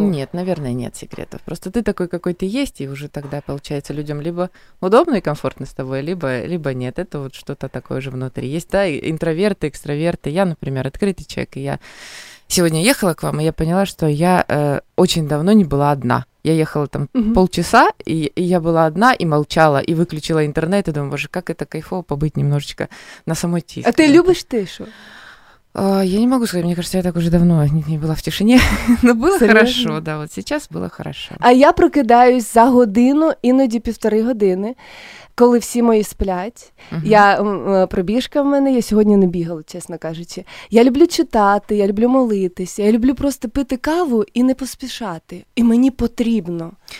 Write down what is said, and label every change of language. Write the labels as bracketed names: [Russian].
[Ukrainian] Ні, наверное, нет секретів. Просто ти такий, який ти є, і вже тоді, виходить, людям либо удобно і комфортно з тобою, либо ні. Це от щось таке вже внутрі. Є, да, інтроверти, екстраверти. Я, наприклад, відкритий чоловік, і я сьогодні їхала к вам, і я поняла, що я очень давно не була одна. [Russian] Я ехала там полчаса, и я была одна, и молчала, и выключила интернет, и думаю, боже, как это кайфово побыть немножечко на самоте. А ты любишь тишу? Я не могу сказать, мне кажется, я так уже давно не была в тишине, но было хорошо, да, вот сейчас было хорошо. [Ukrainian] А я прокидаюсь за годину, іноді півтори години, коли всі мої сплять. Я пробіжка в мене, я сьогодні не бігала, чесно кажучи. Я люблю читати, я люблю молитися, я люблю просто пити каву і не поспішати. І мені потрібно.